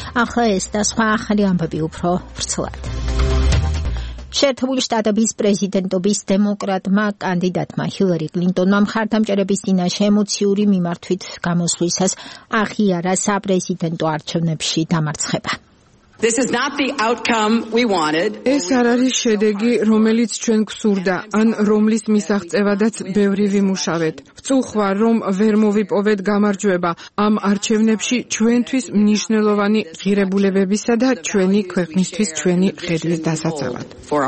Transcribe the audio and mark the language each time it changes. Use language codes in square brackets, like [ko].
[ka] ახლა ეს და სხვა ახალი ამბები უფრო ვრცლად. შეერთებული შტატების პრეზიდენტობის დემოკრატმა კანდიდატმა ჰილარი კლინტონმა მხარდამჭერების წინაშე ემოციური მიმართვით გამოსვლისას აღიარა საპრეზიდენტო არჩევნებში დამარცხება. [en] This is not the outcome we wanted. [ka] ეს არ არის შედეგი, რომელიც ჩვენ გვსურდა, ან რომლის მისაღწევადაც ბევრი ვიმუშავეთ. ვწუხვარ, რომ ვერ მოვიპოვეთ გამარჯვება ამ არჩევნებში ჩვენთვის მნიშვნელოვანი ღირებულებებისა და ჩვენი ქვეყნისთვის ჩვენი ღერის დასაცავად.